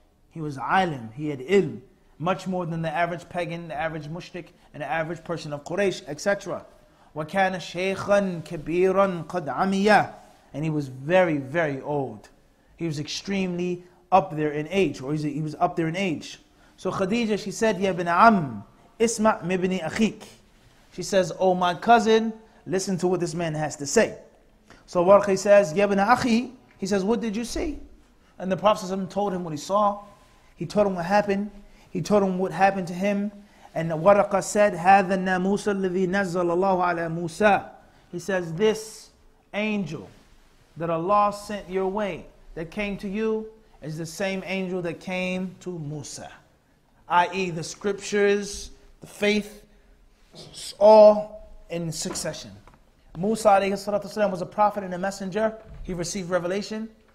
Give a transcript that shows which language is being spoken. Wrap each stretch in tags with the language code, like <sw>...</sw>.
<en>He was alim, he had ilm, much more than the average pagan, the average mushrik, and the average person of Quraysh, etc.</en> <ar>وَكَانَ شَيْخًا كَبِيرًا قَدْ عَمِيًا.</ar> <en>And he was very, very old. He was extremely up there in age, or he was up there in age. So Khadija, she said,</en> <ar>يَا بِنَ عَمْ إِسْمَعْ مِبْنِ أَخِيكِ.</ar> <en>She says, oh my cousin, listen to what this man has to say. So Waraqah says,</en> <ar>يَا بِنَ أَخِي.</ar> <en>He says, what did you see? And the Prophet told him what he saw. He told him what happened. He told him what happened to him. And Waraqah said,</en> <ar>هَذَا النَّامُوسَ الَّذِي نَزَّلَ اللَّهُ عَلَى مُوسَى.</ar> <en>He says, this angel that Allah sent your way, that came to you, is the same angel that came to Musa. I.e. the scriptures, the faith, all in succession. Musa alayhi salatu wasalam was a prophet and a messenger. He received revelation.</en>